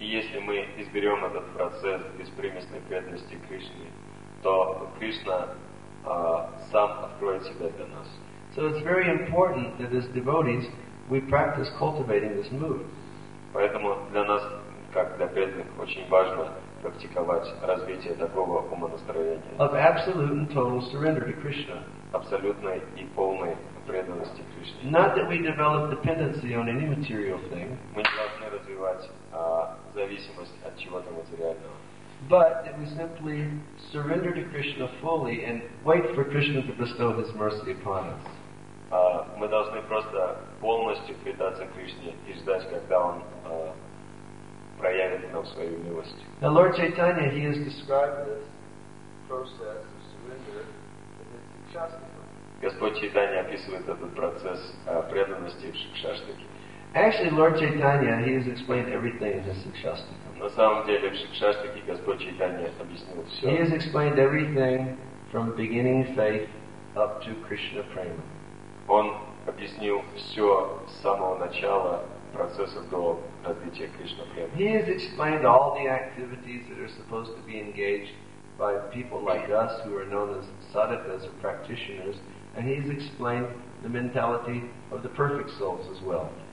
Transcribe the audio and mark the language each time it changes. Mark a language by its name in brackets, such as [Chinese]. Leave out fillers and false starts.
[Russian] И если мы изберем этот процесс беспримесной преданности Кришне, то Кришна сам откроет себя для нас. [English] So it's very important that as devotees we practice cultivating this mood. [Russian] Поэтому для нас, как для преданных, очень важно практиковать развитие такого умонастроения. [English] Of absolute and total surrender to Krishna. [Russian] Абсолютной и полной преданности Кришне. [English] Not that we develop dependency on any material thing. [Russian] Мы не должны развивать зависимость от чего-то материального. [English] But if we simply surrender to Krishna fully and wait for Krishna to bestow His mercy upon us. [Russian] Мы должны просто полностью предаться Кришне и ждать, когда Он проявит нам свою милость. [English] Now Lord Chaitanya, He has described this process of surrender in His Shastika. [Russian] Господь Чайтанья описывает этот процесс преданности в Шикшаштике. [English] Actually, Lord Chaitanya, He has explained everything in His Shastika. [Russian] На самом деле, в Шикшаштике Господь Чайтанья объяснил все. [English] He has explained everything from beginning faith up to Krishna prema. [Russian] Он объяснил все с самого начала процесса до развития Кришна према. [English] He has explained all the activities that are supposed to be engaged by people like us who are known as sadhakas or practitioners, and he has explained the mentality of the perfect souls as well.